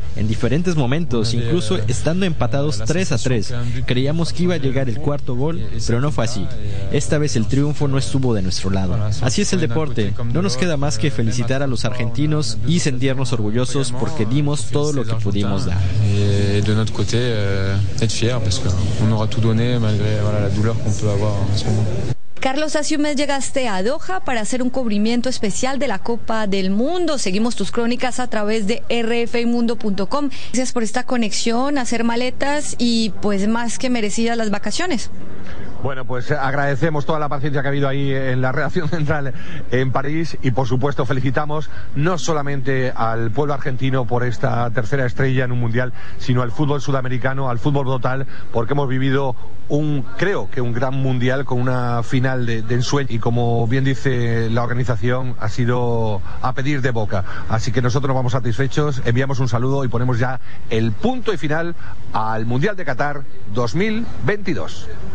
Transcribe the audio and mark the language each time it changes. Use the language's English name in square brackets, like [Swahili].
[Spanish] En diferentes momentos, incluso estando empatados 3-3, creíamos que iba a llegar el cuarto gol, pero no fue así. Esta vez el triunfo no estuvo de nuestro lado. Así es el deporte. No nos queda más que felicitar a los argentinos y sentirnos orgullosos porque dimos todo lo que pudimos dar. [French] Y de notre côté, être fier parce qu'on aura tout donné malgré la douleur qu'on peut avoir en ce moment. [Spanish] Carlos, hace un mes llegaste a Doha para hacer un cubrimiento especial de la Copa del Mundo. Seguimos tus crónicas a través de rfimundo.com. Gracias por esta conexión, hacer maletas y pues más que merecidas las vacaciones. Bueno, pues agradecemos toda la paciencia que ha habido ahí en la redacción central en París y por supuesto felicitamos no solamente al pueblo argentino por esta tercera estrella en un mundial, sino al fútbol sudamericano, al fútbol total, porque hemos vivido un gran mundial con una final de ensueño y como bien dice la organización ha sido a pedir de boca, así que nosotros nos vamos satisfechos, enviamos un saludo y ponemos ya el punto y final al Mundial de Qatar 2022.